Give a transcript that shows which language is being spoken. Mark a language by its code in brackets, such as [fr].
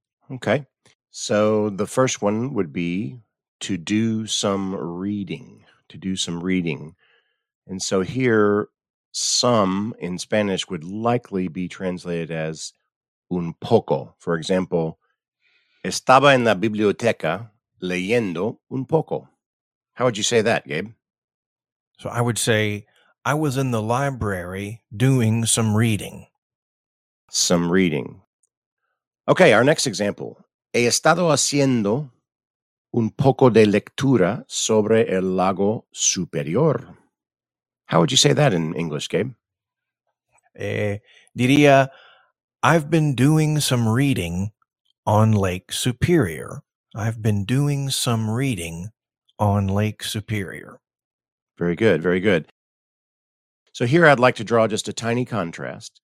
[en] Okay, so the first one would be to do some reading, to do some reading. And so here, some in Spanish would likely be translated as [es] un poco. [en] For example, [es] estaba en la biblioteca leyendo un poco. [en] How would you say that, Gabe? So I would say, I was in the library doing some reading. Some reading. Okay, our next example. [es] He estado haciendo un poco de lectura sobre el lago superior. [en] How would you say that in English, Gabe? [es] Diría, [en] I've been doing some reading on Lake Superior. I've been doing some reading on Lake Superior. Very good, very good. So here I'd like to draw just a tiny contrast.